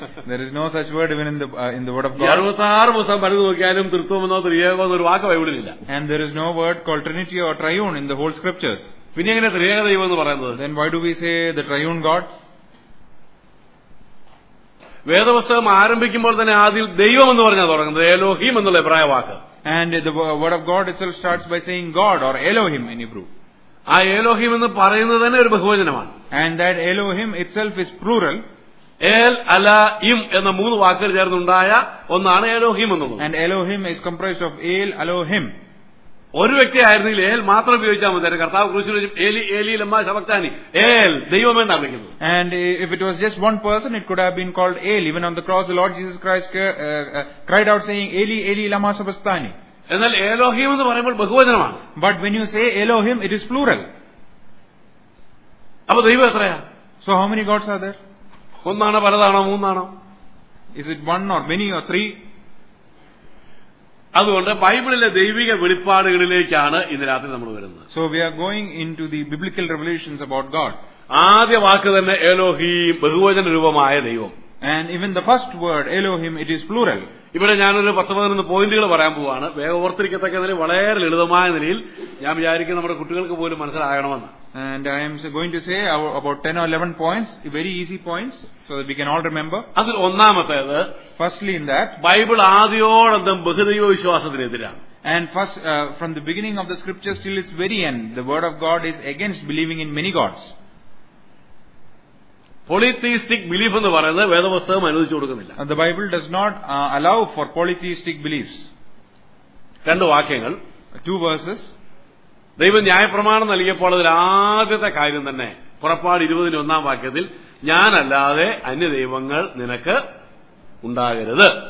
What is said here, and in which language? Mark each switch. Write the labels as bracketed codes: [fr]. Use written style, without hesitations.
[en] There is no such word even in the word of God. [ml] 66 മുസം പറഞ്ഞു നോക്കിയാലും ത്രിത്വം എന്നോ ത്രിയേകമോ എന്നൊരു വാക്ക് ബൈബിളിലില്ല. [en] And there is no word called Trinity or Triune in the whole scriptures. [ml] പിന്നെ എങ്ങനെ ത്രിയേക ദൈവം എന്ന് പറയുന്നത്? [en] Then why do we say the triune God? [ml] വേദപുസ്തകം ആരംഭിക്കുമ്പോൾ തന്നെ ആദ്യം ദൈവം എന്ന് പറഞ്ഞാൽ തുടങ്ങുന്നത് എലോഹിം എന്നുള്ള എബ്രായ വാക്ക്. [en] And the word of God itself starts by saying God or Elohim in Hebrew. [ml] ആ എലോഹിം എന്ന് പറയുന്നത് തന്നെ ഒരു ബഹുവചനമാണ്. [en] And that Elohim itself is plural. [ml] El Alohim എന്ന മൂന്ന് വാക്കുകൾ ചേർന്നുണ്ടായ ഒന്നാണ് എലോഹിം എന്നുള്ളത്. [en] And Elohim is comprised of El Alohim. [ml] ഒരു വ്യക്തി ആയിരുന്നെങ്കിൽ ഏൽ മാത്രം ഉപയോഗിച്ചാൽ മതി. കർത്താവ് കുറിച്ച് [arc] ഏലി ഏലി ലമ്മാ ശബക്താനി, [ml] ഏൽ ദൈവമെന്ന് വിളിക്കുന്നു. [en] And if it was just one person, it could have been called El. Even on the cross, the Lord Jesus Christ cried out saying, [arc] ഏലി ഏലി ലമ്മാ ശബക്താനി. [ml] എന്നാൽ എലോഹിം എന്ന് പറയുമ്പോൾ ബഹുവചനമാണ്. [en] But when you say Elohim, it is plural. [ml] അപ്പോൾ ദൈവം എത്രയാ? [en] So how many gods are there? [ml] ഒന്നാണോ പലതാണോ മൂന്നാണോ? [en] Is it one or many or three? [ml] അതുകൊണ്ട് ബൈബിളിലെ ദൈവിക വെളിപ്പാടുകളിലേക്കാണ് ഇന്ന് രാത്രി നമ്മൾ വരുന്നത്. [en] So we are going into the biblical revelations about God. [ml] ആദ്യ വാക്ക് തന്നെ എലോഹിം, ബഹുവചന രൂപമായ ദൈവം. [en] And even the first word Elohim, it is plural. [ml] ഇവിടെ ഞാനൊരു 10-11 പോയിന്റുകൾ പറയാൻ പോവാണ്. വേഗം ഓർത്തിരിക്കത്തക്ക നിലയിൽ, വളരെ ലളിതമായ നിലയിൽ ഞാൻ വിചാരിക്കും നമ്മുടെ കുട്ടികൾക്ക് പോലും മനസ്സിലാകണമെന്ന്. [en] And I am going to say about 10 or 11 points, very easy points, so that we can all remember. [ml] അതിൽ ഒന്നാമത്തേത്, [en] firstly in that, [ml] ബൈബിൾ ആദ്യോടന്തം ബഹുദൈവ വിശ്വാസത്തിനെതിരാണ്. [en] And first, from the beginning of the scriptures till its very end, the word of God is against believing in many gods. Polytheistic belief [ml] എന്ന് പറയുന്നത് വേദപുസ്തകം അനുവദിച്ചു കൊടുക്കുന്നില്ല. [en] The Bible does not allow for polytheistic beliefs. [ml] രണ്ട് വാക്യങ്ങൾ, [en] Two verses. [ml] ദൈവം ന്യായപ്രമാണം നൽകിയപ്പോൾ അതിൽ ആദ്യത്തെ കാര്യം തന്നെ പുറപ്പാട് 20:1 വാക്യത്തിൽ, ഞാനല്ലാതെ അന്യ ദൈവങ്ങൾ നിനക്ക് ഉണ്ടാകരുത്.